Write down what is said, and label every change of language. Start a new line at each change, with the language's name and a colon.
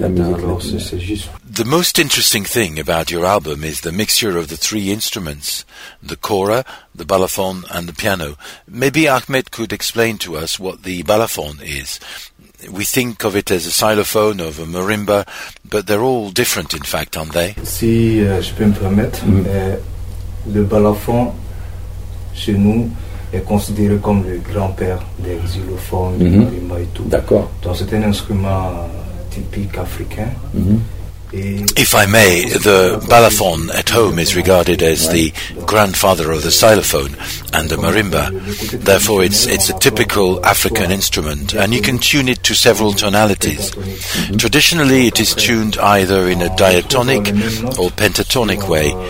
English: The most interesting thing about your album is the mixture of the three instruments, the kora, the balafon, and the piano. Maybe Ahmed could explain to us what the balafon is. We think of it as a xylophone or a marimba, but they're all different, in fact, aren't they?
French: Si je peux me permettre, le balafon, chez nous, est considéré comme le grand-père des xylophones, du marimba et tout. D'accord. Donc c'est un instrument typique africain.
English: If I may, the balafon at home is regarded as the grandfather of the xylophone and the marimba. Therefore, it's a typical African instrument, and you can tune it to several tonalities. Traditionally, it is tuned either in a diatonic or pentatonic way.